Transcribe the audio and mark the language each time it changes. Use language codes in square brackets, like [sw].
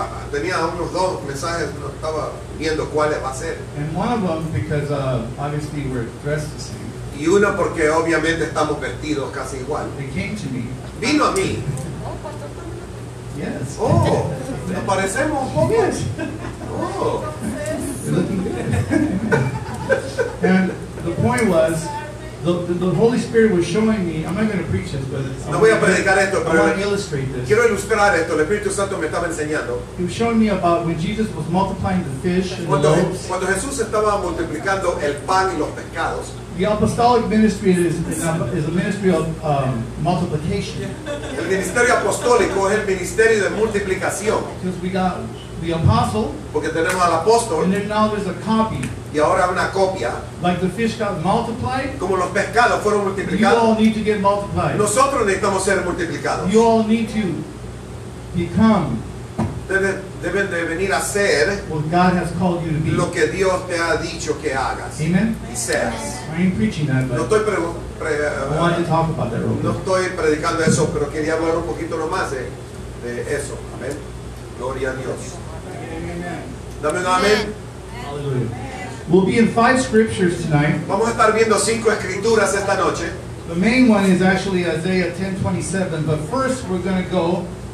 [es] tenía unos dos mensajes, no estaba viendo cuál va a ser. [en] And one of them, because obviously we're dressed the same. [es] Y uno porque obviamente estamos vestidos casi igual. [en] It came to me. [es] Vino a mí. [en] Yes. [es] Oh, nos parecemos un poco. [en] Yes. Oh. You're looking good. And the point was, the Holy Spirit was showing me. I'm not going to preach this, but [es] no voy a predicar esto, pero [en] I want to illustrate this. [es] Quiero ilustrar esto. El Espíritu Santo me estaba enseñando. [en] He was showing me about when Jesus was multiplying the fish and [es] cuando, [en] the loaves. [es] Cuando Jesús estaba multiplicando el pan y los pescados. [en] The apostolic ministry is a ministry of multiplication. [es] El ministerio apostólico es el ministerio de multiplicación. [en] Because we got the apostle. [es] Porque tenemos al apóstol. [en] And then now there's a copy. [es] Y ahora una copia. [en] Like the fish got multiplied. [es] Como los pescados fueron multiplicados. [en] You all need to get multiplied. [es] Nosotros necesitamos ser multiplicados. [en] You all need to become. [es] Deben de venir a ser [en] what God has called you to be. [es] Lo que Dios te ha dicho que hagas. [en] Amen. [es] Y seas. [en] I ain't preaching that, but [es] no estoy [en] I wanted to talk about that. [es] No estoy predicando eso, pero quería hablar un poquito nomás de eso. Amen. Gloria a Dios. [en] Amen. [es] Dame un amén. [en] Hallelujah. We'll be in five scriptures tonight. [es] Vamos a estar viendo cinco escrituras esta noche. [en] The main one is actually Isaiah 10:27, but first we're going to go.